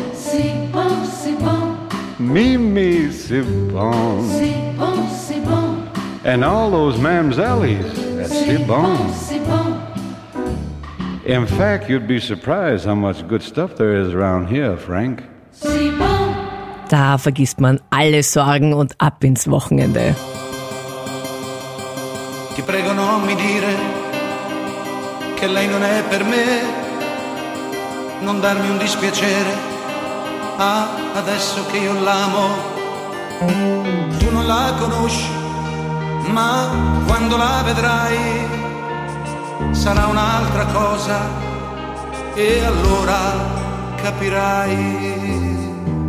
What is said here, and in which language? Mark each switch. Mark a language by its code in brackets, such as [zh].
[fr] c'est bon, c'est bon, Mimi, c'est bon, bon, [en] and all those mamsellies, [fr] c'est bon, bon, c'est bon. [en] In fact, you'd be surprised how much good stuff there is around here, Frank. [fr] C'est bon. [de] Da vergisst man alle Sorgen und ab ins Wochenende. [it] Ti prego non mi dire che lei non è per me. Non darmi un dispiacere, ah, adesso che io l'amo. Tu non la conosci, ma quando la vedrai sarà un'altra cosa e allora capirai.